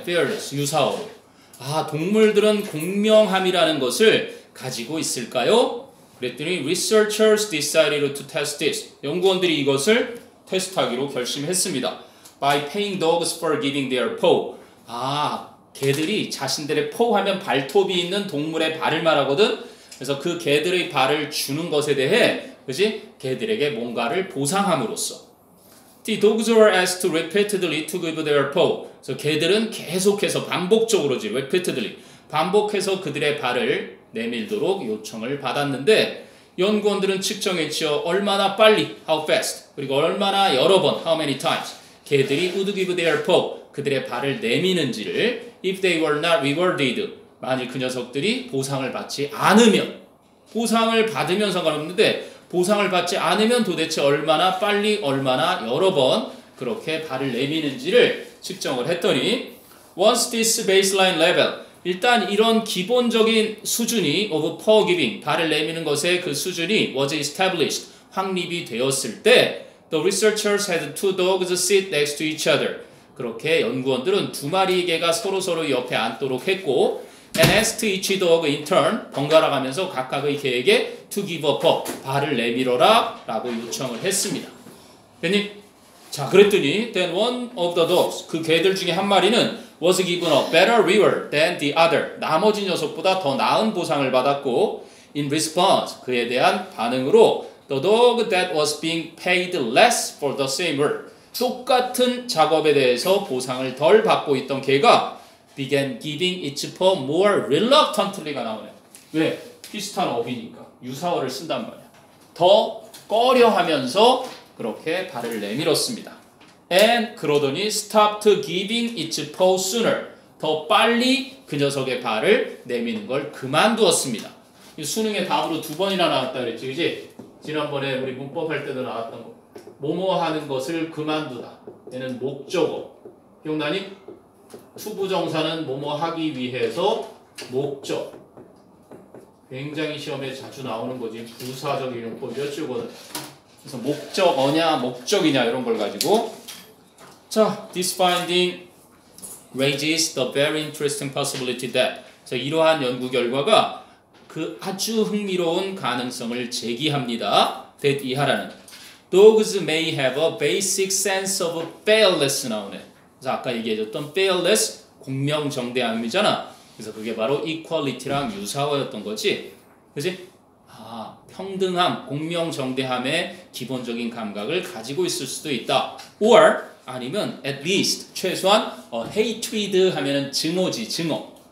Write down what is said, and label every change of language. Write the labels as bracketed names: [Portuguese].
[Korean] Fairness 유사어로. 아 동물들은 공명함이라는 것을 가지고 있을까요? 그랬더니 [English] researchers decided to test this. [Korean] 연구원들이 이것을 테스트하기로 결심했습니다. [English] By paying dogs for giving their paw. [Korean] 아, 개들이 자신들의 paw 하면 발톱이 있는 동물의 발을 말하거든. 그래서 그 개들의 발을 주는 것에 대해 그지? 개들에게 뭔가를 보상함으로써. [English] The dogs were asked to repeatedly to give their paw. [Korean] 그래서 개들은 계속해서 반복적으로지 repeatedly 반복해서 그들의 발을 내밀도록 요청을 받았는데 연구원들은 측정했죠. 얼마나 빨리 [English] how fast [Korean] 그리고 얼마나 여러 번 [English] how many times [Korean] 개들이 [English] would give their paw [Korean] 그들의 발을 내미는지를 [English] if they were not rewarded [Korean] 만일 그 녀석들이 보상을 받지 않으면 보상을 받으면 상관없는데 보상을 받지 않으면 도대체 얼마나 빨리 얼마나 여러 번 그렇게 발을 내미는지를 측정을 했더니 [English] once this baseline level [Korean] 일단 이런 기본적인 수준이 [English] of paw giving, [Korean] 발을 내미는 것의 그 수준이 [English] was established, [Korean] 확립이 되었을 때 [English] the researchers had two dogs sit next to each other. [Korean] 그렇게 연구원들은 두 마리 개가 서로서로 옆에 앉도록 했고 [English] and asked each dog in turn, [Korean] 번갈아가면서 각각의 개에게 [English] to give a paw, [Korean] 발을 내밀어라 라고 요청을 했습니다. 괜히? 자 그랬더니 [English] then one of the dogs, [Korean] 그 개들 중에 한 마리는 [English] was given a better reward than the other. 나머지 녀석보다 더 나은 보상을 받았고 in response, [Korean] 그에 대한 반응으로 [English] the dog that was being paid less for the same work [Korean] 똑같은 작업에 대해서 보상을 덜 받고 있던 개가 [English] began giving its paw more reluctantly가 나오네. 왜? [Korean] 비슷한 어휘니까 유사어를 쓴단 말이야. 더 꺼려하면서 그렇게 발을 내밀었습니다. [English] And [Korean] 그러더니 [English] stopped giving its paw sooner. [Korean] 더 빨리 그 녀석의 발을 내미는 걸 그만두었습니다. 이 수능에 답으로 두 번이나 나왔다 그랬지, 그지? 지난번에 우리 문법할 때도 나왔던 거. 뭐뭐 하는 것을 그만두다. 얘는 목적어. 기억나니? 투부정사는 뭐뭐 하기 위해서 목적. 굉장히 시험에 자주 나오는 거지. 부사적 이용법 몇 줄거든. 그래서 목적어냐 목적이냐 이런 걸 가지고. 자, [English] this finding raises the very interesting possibility that. [Korean] 자, 이러한 연구 결과가 그 아주 흥미로운 가능성을 제기합니다. That 이하라는. [English] Dogs may have a basic sense of fairness [Korean] 나오네. 자, 아까 얘기해줬던 fairness, 공명정대함이잖아. 그래서 그게 바로 equality랑 유사어였던 거지. 그지? 아, 평등함, 공명정대함의 기본적인 감각을 가지고 있을 수도 있다. [English] Or, [Korean] 아니면 [English] at least, [Korean] 최소한 hatred 하면은 증오지, 증오.